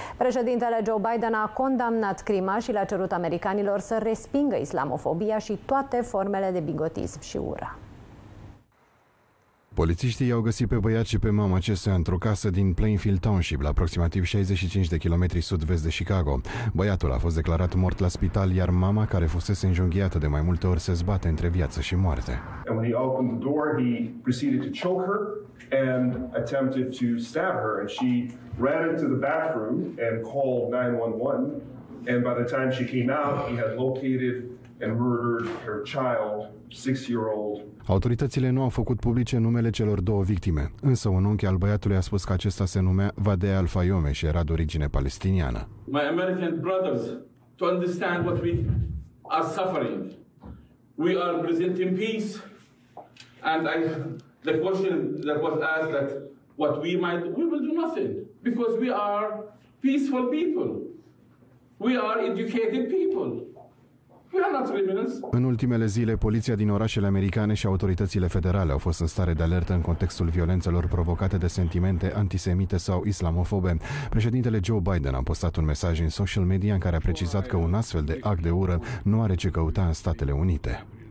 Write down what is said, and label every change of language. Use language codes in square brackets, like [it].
[ro] Președintele Joe Biden a condamnat crima și le-a cerut americanilor să respingă islamofobia și toate formele de bigotism și ură. Polițiștii i-au găsit pe băiat și pe mama acestuia într-o casă din Plainfield Township, la aproximativ 65 de kilometri sud-vest de Chicago. Băiatul a fost declarat mort la spital, iar mama, care fusese înjunghiată de mai multe ori, se zbate între viață și moarte. [en] And when he opened the door, he proceeded to choke her and attempted to stab her, and she ran into the bathroom and called 911, and by the time she came out, he had located and murdered her child, 6-year-old. [ro] Autoritățile nu au făcut publice numele celor două victime, însă un unchi al băiatului a spus că acesta se numea Vadea Al-Fayome și era de origine palestiniană. [en] My American brothers, to understand what we are suffering. We are presenting peace, and I, the question that was asked, that what we might, we will do nothing, because we are peaceful people. We are educated people. [ro] În ultimele zile, poliția din orașele americane și autoritățile federale au fost în stare de alertă în contextul violențelor provocate de sentimente antisemite sau islamofobe. Președintele Joe Biden a postat un mesaj în social media în care a precizat că un astfel de act de ură nu are ce căuta în Statele Unite.